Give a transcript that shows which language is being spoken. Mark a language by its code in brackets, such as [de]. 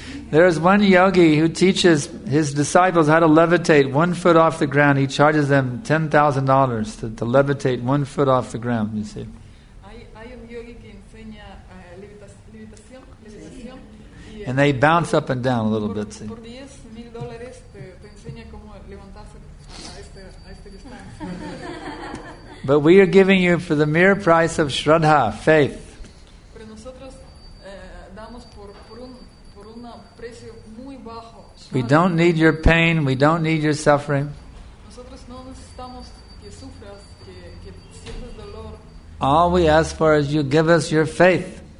[en] There is one yogi who teaches his disciples how to levitate 1 foot off the ground. He charges them $10,000 to levitate 1 foot off the ground, you see. [es] Hay un yogi que enseña levitación. [en] And they bounce up and down a little bit. [es] Por $10,000 te enseña cómo levantarse a este distancia. [en] But we are giving you for the mere price of Shraddha, faith. [es] Pero nosotros damos por un precio muy bajo. [en] We don't need your pain, we don't need your suffering. [es] Nosotros no necesitamos que sufras, que sientas dolor. [en] All we ask for is you give us your faith.